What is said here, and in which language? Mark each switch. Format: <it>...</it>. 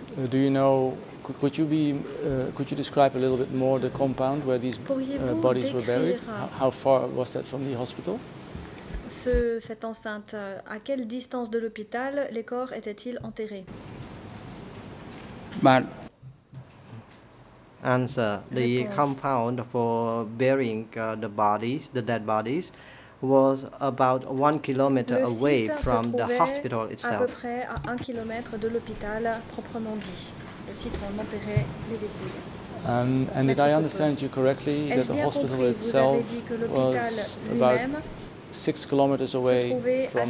<en>Do you know, could you be, could you describe a little bit more the compound where these bodies were buried? How far was that from the hospital?</en> <fr>Cette enceinte, à quelle distance de l'hôpital les corps étaient-ils enterrés?</fr> <en>But answer, the</en> <fr>réponse.</fr> <en>Compound for burying the bodies, the dead bodies, was about 1 kilometer away from the hospital itself.</en> <fr>À peu près à 1 kilomètre de l'hôpital proprement dit, le site où on enterrait les dépouilles.</fr> <en>And did I understand you correctly that the hospital itself was about 6 kilometers away from</en>